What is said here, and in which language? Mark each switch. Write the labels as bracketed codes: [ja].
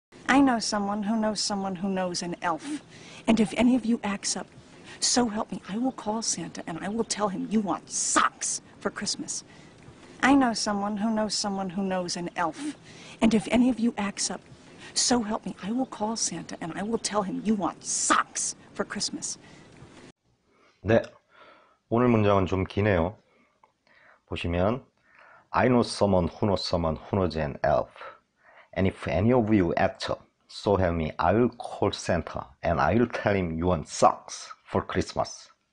[en] I know someone who knows someone who knows an elf. And if any of you acts up, so help me, I will call Santa and I will tell him you want socks for Christmas. I know someone who knows someone who knows an elf. And if any of you acts up, so help me, I will call Santa and I will tell him you want socks for Christmas. [ko] 네, 오늘 문장은 좀 기네요. 보시면 [en] I know someone who knows someone who knows an elf. And if any of you act up, so help me, I'll call Santa and I'll tell him you want socks for Christmas.